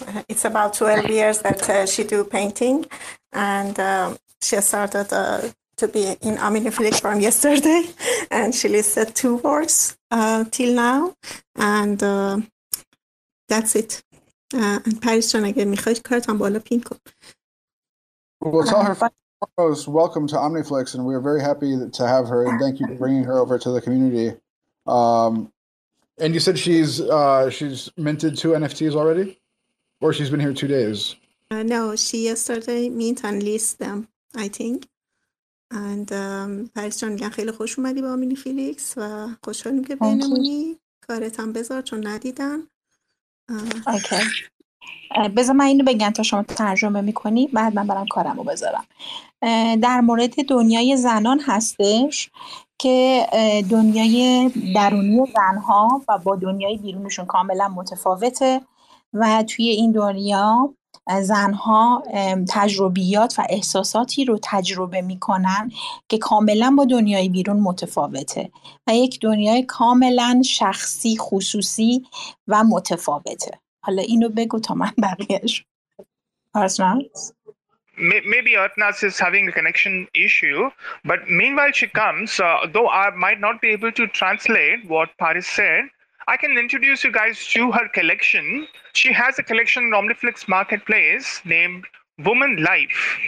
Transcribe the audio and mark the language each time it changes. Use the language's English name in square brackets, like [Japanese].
[English] It's about 12 years that she do painting, and she started to be in OmniFlix from yesterday, and she listed two words till now, and that's it. [Persian] And Paris John, اگه میخوای کارتان بالا پین کن. [English] Well, tell her first, welcome to OmniFlix, and we are very happy to have her, and thank you for bringing her over to the community. And you said she's minted two NFTs already, or she's been here 2 days? No, she yesterday mint and list them, I think. [Persian] And Paris John, yeah, خیلی خوش اومدی با OmniFlix و خوشحالم که بینمونی. کارتان بذار چون ندیدن. Okay. بذار من اینو بگم تا شما ترجمه میکنی بعد من برم کارم رو بذارم. در مورد دنیای زنان هستش که دنیای درونی زنها و با دنیای بیرونشون کاملا متفاوته و توی این دنیا زنها تجربیات و احساساتی رو تجربه میکنن که کاملا با دنیای بیرون متفاوته و یک دنیای کاملا شخصی خصوصی و متفاوته. حالا اینو بگو تا من بقیهش. [English] Artnaz? Maybe Artnaz is having a connection issue, but meanwhile she comes, though I might not be able to translate what Paris said, I can introduce you guys to her collection. She has a collection on OmniFlix Marketplace named Woman Life.